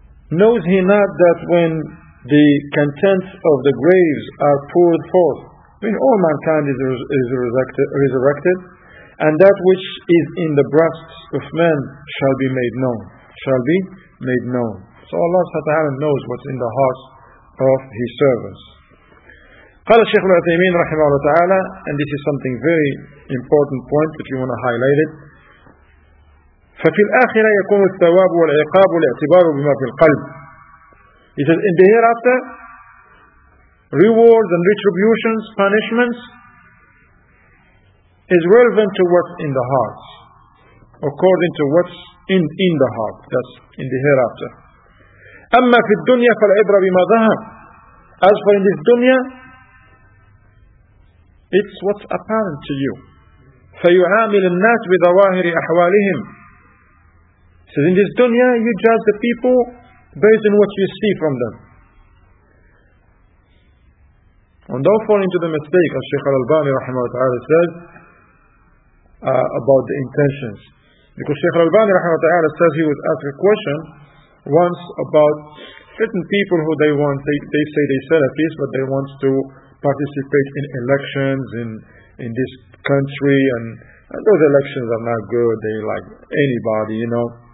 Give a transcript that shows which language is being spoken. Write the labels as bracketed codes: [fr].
[en] Knows he not that when the contents of the graves are poured forth, when all mankind is resurrected, and that which is in the breasts of men shall be made known. Shall be made known. So Allah subhanahu wa ta'ala knows what's in the hearts of His servants. [ar] قال الشيخ العثيمين رحمه الله تعالى, [en] and this is something very important point that you want to highlight it. [ar] ففي الآخرة يكون الثواب والعقاب والاعتبار بما في القلب. [en] He says, in the hereafter, rewards and retributions, punishments, is relevant to what's in the hearts, according to what's in the heart, that's in the hereafter. [ar] أما في الدنيا فالعبرة بما ظهر. [en] As for in this dunya, it's what's apparent to you. [ar] فيعامل الناس بظواهر أحوالهم. [en] So in this dunya, you judge the people based on what you see from them. And don't fall into the mistake, as Shaykh al-Albani رحمه وتعالى said, about the intentions. Because Shaykh al-Albani رحمه وتعالى says, he was asked a question once about certain people who they want, they say they're Salafis, but they want to participate in elections in this country, and those elections are not good, they like anybody, you know.